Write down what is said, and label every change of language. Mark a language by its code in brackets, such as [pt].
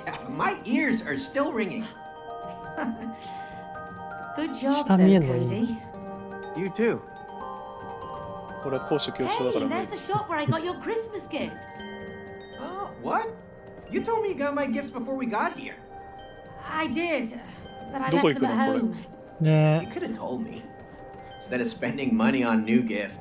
[en] My ears are still ringing. Good job, Cody. [ja] 下見えんのいいね。 [en] You too. [ja] これは高所恐怖症だからね。 [en] Hey, that's the shop where I got your Christmas gifts. What? You told me you got my gifts before we got here. I did, but I left them at home. ね。 You could have told me. Instead of spending money on new gifts.